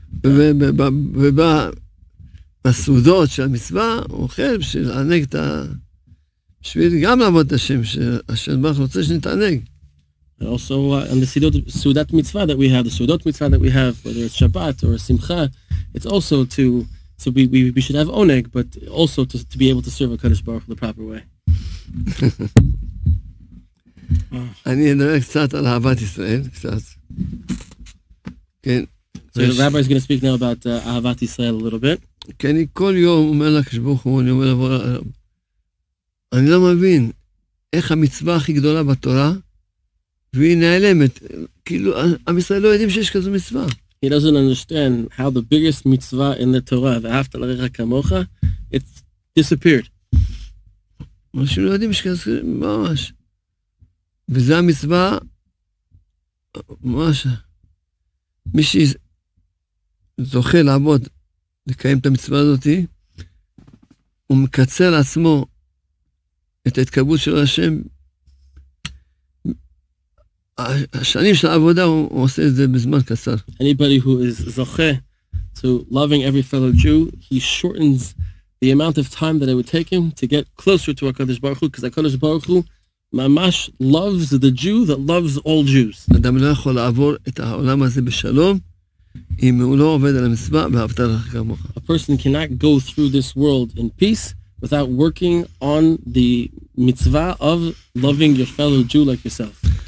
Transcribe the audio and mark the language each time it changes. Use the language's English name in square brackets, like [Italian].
[English] And also on the Seudat Mitzvah that we have, the Seudot Mitzvah that we have, whether it's Shabbat or Simcha, it's also to, so we should have Oneg, but also to be able to serve a Kodesh Baruch the proper way. [Hebrew] אני אדבר קצת על אהבת ישראל, קצת. כן. [English] So the rabbi is going to speak now about אהבת ישראל a little bit. [Hebrew] כן, אני כל יום אומר לקדוש ברוך הוא, אני אומר לבורא, אני לא מבין איך המצווה הכי גדולה בתורה, והיא נעלמת. כאילו, עם ישראל לא יודעים שיש כזו מצווה. [English] He doesn't understand how the biggest mitzvah in the Torah, [Hebrew] ואהבת לרעך כמוך, [English] it's disappeared. [Hebrew] אנשים לא יודעים שכזו, ממש. וזה המצווה, ממש, מי שזוכה לעבוד, לקיים את המצווה הזאת, הוא מקצר לעצמו את ההתקרבות של השם. השנים של העבודה, הוא עושה את זה בזמן קצר. [English] Anybody who is זוכה to loving every fellow Jew, he shortens the amount of time that it would take him to get closer to HaKadosh Baruch Hu, because HaKadosh Baruch Hu Mamash loves the Jew that loves all Jews. [Hebrew] אדם לא יכול לעבור את העולם הזה בשלום אם הוא לא עובד על המצווה ואהבת לרעך כמוך. [English] A person cannot go through this world in peace without working on the mitzvah of loving your fellow Jew like yourself.